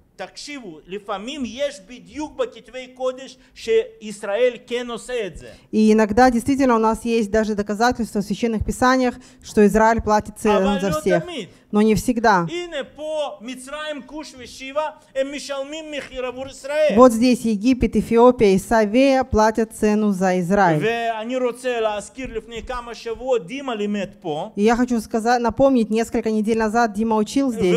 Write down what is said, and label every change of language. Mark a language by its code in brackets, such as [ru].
[he] תקשיבו, לפעמים יש בדיוק בכתבי קודש שישראל כן עושה את זה. [ru] И иногда действительно у нас есть даже доказательства в священных писаниях, что Израиль платит цену за всех. Но не всегда. [he] הנה פה מצרים קוש ושיבה, הם משלמים מחיר עבור ישראל. [ru] Вот здесь Египет, Эфиопия и Савея платят цену за Израиль. [he] ואני רוצה להזכיר לפני כמה שבועות, דימה לימד פה. [ru] И я хочу сказать, напомнить, несколько недель назад Дима учил здесь.